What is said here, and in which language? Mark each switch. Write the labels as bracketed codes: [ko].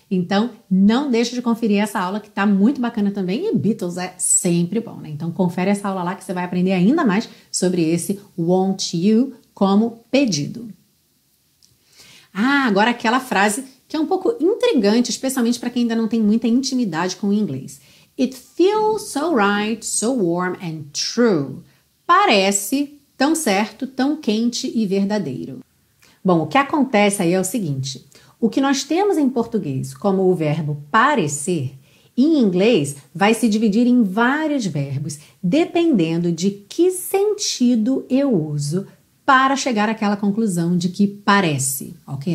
[pt] Então, não deixa de conferir essa aula que está muito bacana também, e Beatles é sempre bom, né? Então, confere essa aula lá que você vai aprender ainda mais sobre esse [en] won't you [pt] como pedido. Ah, agora aquela frase que é um pouco intrigante, especialmente para quem ainda não tem muita intimidade com o inglês. [en] It feels so right, so warm and true. [pt] Parece tão certo, tão quente e verdadeiro. Bom, o que acontece aí é o seguinte. O que nós temos em português como o verbo parecer, em inglês vai se dividir em vários verbos, dependendo de que sentido eu uso para chegar àquela conclusão de que parece, ok?